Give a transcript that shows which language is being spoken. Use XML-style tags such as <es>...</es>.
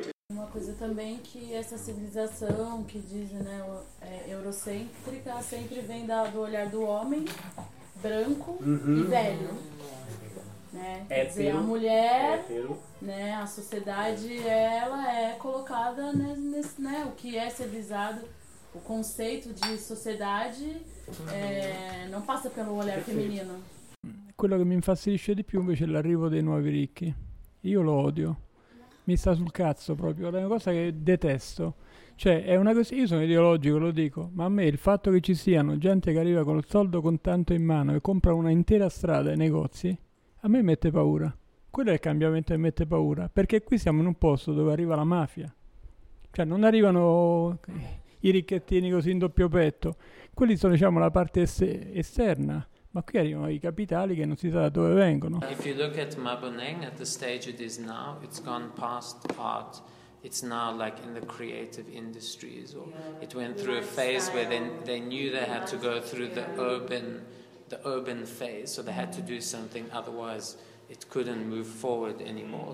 <pt>Uma coisa também que essa civilização que diz, né, é eurocêntrica, sempre vem do olhar do homem branco e velho, né? Quer dizer, a mulher, né, a sociedade, ela é colocada nesse, né, o que é civilizado. O conceito de sociedade não passa pelo olhar feminino.</pt> <it>Quello che mi infastidisce di più invece è l'arrivo dei nuovi ricchi. Io lo odio, mi sta sul cazzo proprio, è una cosa che detesto. Cioè, è una cosa, io sono ideologico, lo dico, ma a me il fatto che ci siano gente che arriva con il soldo contanto in mano e compra una intera strada e negozi, a me mette paura. Quello è il cambiamento che mette paura, perché qui siamo in un posto dove arriva la mafia. Cioè, non arrivano i ricchettini così in doppio petto. Quelli sono, diciamo, la parte esterna. Ma qui arrivano i capitali che non si sa da dove vengono.</it> <en>If you look at Maboneng at the stage it is now, it's gone past art. It's now like in the creative industries, or it went through a phase where they knew they had to go through the urban phase, so they had to do something, otherwise it couldn't move forward anymore.</en>